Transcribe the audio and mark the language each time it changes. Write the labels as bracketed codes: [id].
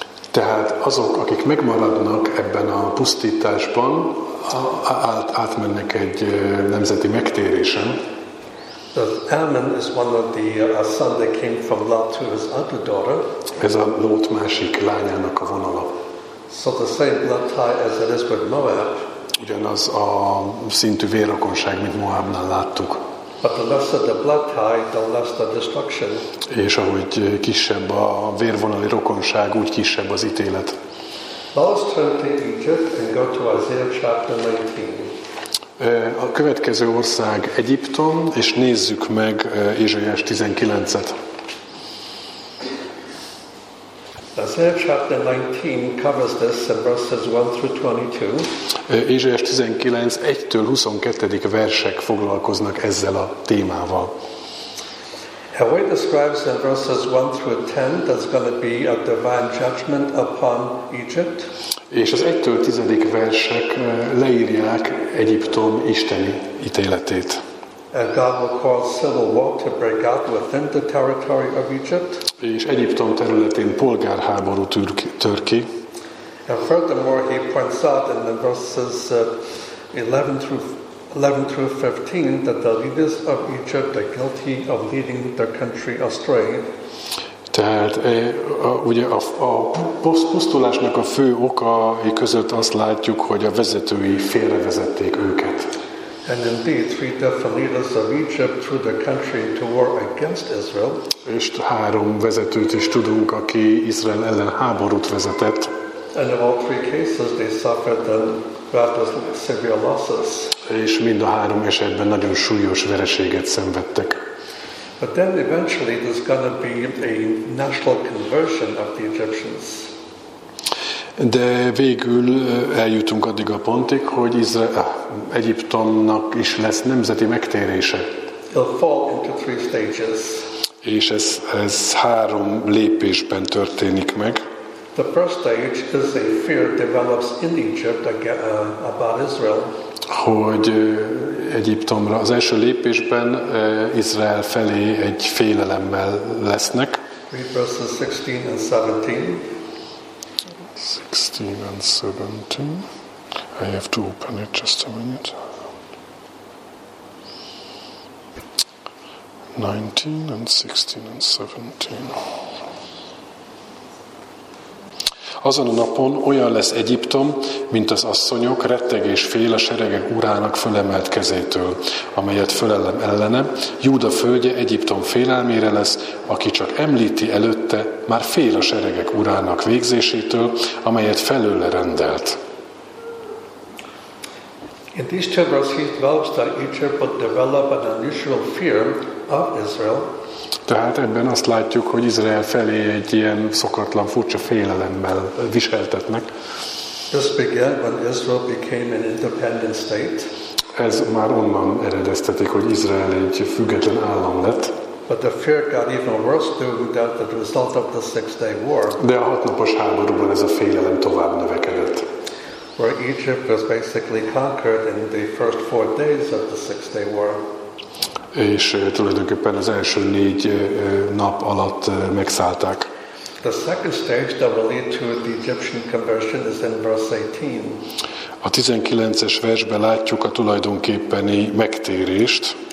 [hu] Tehát azok, akik megmaradnak ebben a pusztításban, átmennek egy nemzeti megtérésen. [en] Ammon is one of the sons that came from Lot to his other daughter. [hu] Ez a Lot másik lányának a vonala. [en] So the same blood tie as it is with Moab. [hu] Ugyanaz a szintű vérrokonság, mint Moabnál láttuk. [en] But the lesser the blood tie, the less the destruction. [hu] És ahogy kisebb a vérvonali rokonság, úgy kisebb az ítélet. [en] Let's turn to Egypt and go to Isaiah chapter 19. [hu] A következő ország Egyiptom, és nézzük meg Ézsaiás 19-et. [en] Isaiah chapter 19 covers this in verses 1 through 22. [hu] Ézsaiás 19 1-től 22. versek foglalkoznak ezzel a témával. [en] How he describes in verses 1 through 10 there's going to be a divine judgment upon Egypt. [hu] És az 1-től 10. versek leírják Egyiptom isteni ítéletét. [en] And God will cause civil war to break out within the territory of Egypt. [hu] És Egyiptom területén polgárháború tör ki. [en] And furthermore, he points out in the verses 11 through 15 that the leaders of Egypt are guilty of leading their country astray. [hu] Tehát ugye a pusztulásnak a fő oka között azt látjuk, hogy a vezetői félrevezették őket. [en] And indeed, three different leaders of Egypt threw their country into war against Israel. [hu] És három vezetőt is tudunk, aki Izrael ellen háborút vezetett. [en] And in all three cases, they suffered the rather severe losses. [hu] És mind a három esetben nagyon súlyos vereséget szenvedtek. [en] But then eventually there's going to be a national conversion of the Egyptians. [hu] De végül eljutunk addig a pontig, hogy Egyiptomnak is lesz nemzeti megtérése. [en] It'll fall into three stages. [hu] És ez három lépésben történik meg. [en] The first stage is a fear develops in Egypt about Israel. [hu] Hogy Egyiptomra az első lépésben Izrael felé egy félelemmel lesznek. [en] Read verses 16 and 17. 16 and 17. I have to open it just a minute. 19 and 16 and 17. [hu] Azon a napon olyan lesz Egyiptom, mint az asszonyok, retteg és fél a seregek urának fölemelt kezétől, amelyet fölellem ellene. Júda földje Egyiptom félelmére lesz, aki csak említi előtte, már fél a seregek urának végzésétől, amelyet felőle rendelt. [en] In these two verses he develops that Egypt would develop an unusual fear of Israel. [hu] Tehát ebben azt látjuk, hogy Izrael felé egy ilyen szokatlan, furcsa félelemmel viseltetnek. [en] This began when Israel became an independent state. [hu] Ez már onnan eredeztetik, hogy Izrael egy független állam lett. [en] But the fear got even worse due to the result of the Six-Day War. [hu] De a hatnapos háborúban ez a félelem tovább növekedett. [en] Where Egypt was basically conquered in the first 4 days of the Six-Day War. [hu] és tulajdonképpen az első négy nap alatt megszállták. [en] The second stage that will lead to the Egyptian conversion is in verse 18. [hu] A 19-es versben látjuk a tulajdonképpeni megtérést.